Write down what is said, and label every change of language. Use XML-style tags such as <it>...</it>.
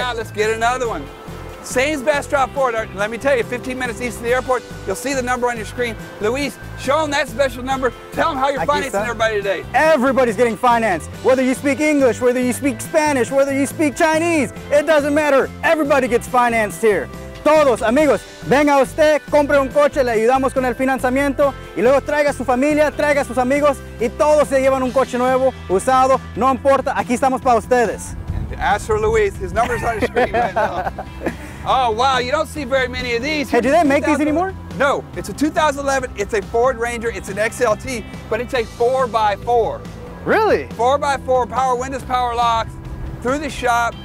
<en>one out. Let's get another one. Sains Bastrop Ford. Let me tell you, 15 minutes east of the airport, you'll see the number on your screen. Luis, show them that special number. Tell them how you're financing everybody today. Everybody's getting financed. Whether you speak English, whether you speak Spanish, whether you speak Chinese, it doesn't matter. Everybody gets financed here.</en> <es>Todos, amigos. Venga usted, compre un coche, le ayudamos con el financiamiento y luego traiga su familia, traiga sus amigos y todos se llevan un coche nuevo, usado, no importa, aquí estamos para ustedes.</es> <en>Ask for Luis, his number's on the screen right now. Oh, wow, you don't see very many of these. Hey, do they make these anymore? No, it's a 2011, it's a Ford Ranger, it's an XLT, but it's a 4x4. Really? 4x4, power windows, power locks, through the shop.</en>